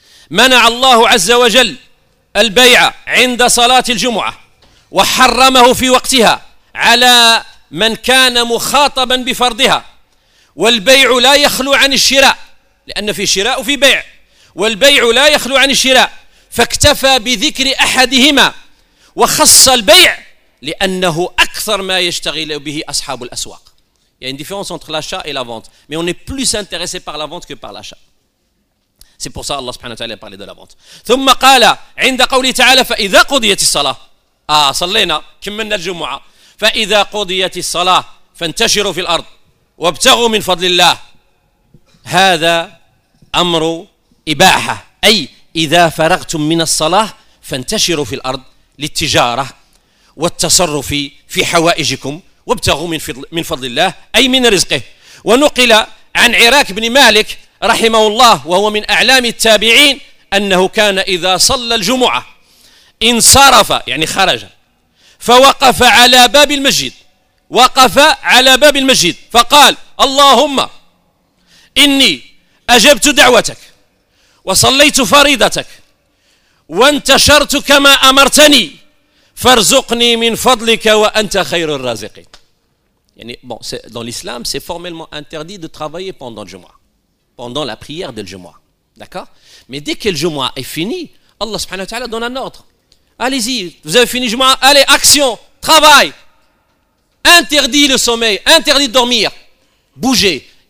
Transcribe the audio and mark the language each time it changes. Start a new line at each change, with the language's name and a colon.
Arabic: منع الله عز وجل البيع عند صلاة الجمعة وحرمه في وقتها على من كان مخاطبا بفرضها، والبيع لا يخلو عن الشراء لأن في شراء وفي بيع، والبيع لا يخلو عن الشراء، فاكتفى بذكر أحدهما وخص البيع لأنه أكثر ما يشتغل به أصحاب الأسواق.
French: Il y a une différence entre l'achat et la vente, mais on est plus intéressé par la vente que par l'achat. C'est pour ça Allah
Arabic: سبحانه وتعالى
French: parle de la vente.
Arabic: ثم قال عند قوله تعالى فإذا قضيت الصلاة صلينا كملنا الجمعة فإذا قضيت الصلاة فانتشروا في الأرض وابتغوا من فضل الله. هذا أمر إباحة، أي إذا فرغتم من الصلاة فانتشروا في الأرض للتجارة والتصرف في حوائجكم وابتغوا من فضل الله، أي من رزقه. ونقل عن عراك بن مالك رحمه الله وهو من أعلام التابعين أنه كان إذا صلى الجمعة انصرف، يعني خرج، فوقف على باب المسجد، وقف على باب المسجد فقال اللهم إني أجبت دعوتك وصليت فريضتك وانتشرت كما أمرتني فارزقني من فضلك وأنت خير الرازقين. يعني بون،
French: dans l'islam c'est formellement interdit de travailler pendant le jumu'ah. pendant la prière de Jumu'ah. D'accord ? Mais dès que Jumu'ah est fini, Allah subhanahu wa ta'ala donne un ordre. Allez-y, vous avez fini Jumu'ah, allez, action, travail. Interdit le sommeil, interdit de dormir. Bougez.